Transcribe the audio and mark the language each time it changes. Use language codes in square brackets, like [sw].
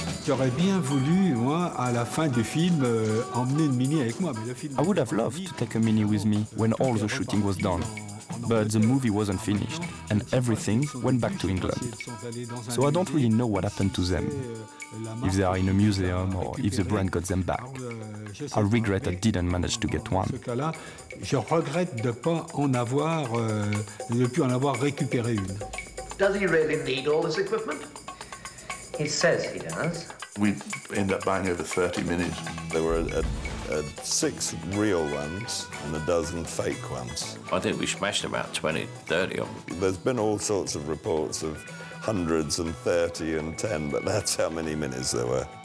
[en] I would have loved to take a Mini with me when all the shooting was done, but the movie wasn't finished and everything went back to England. So I don't really know what happened to them, if they are in a museum or if the brand got them back. I regret I didn't manage to get one. [fr] Je regrette de pas en avoir, de plus en avoir récupéré une. [en] Does he really need all this equipment? He says he does. We end up buying over 30 Minis. They were 6 real ones and a dozen fake ones. I think we smashed about 20, 30 of them. There's been all sorts of reports of hundreds and 30 and 10, but that's how many minis there were.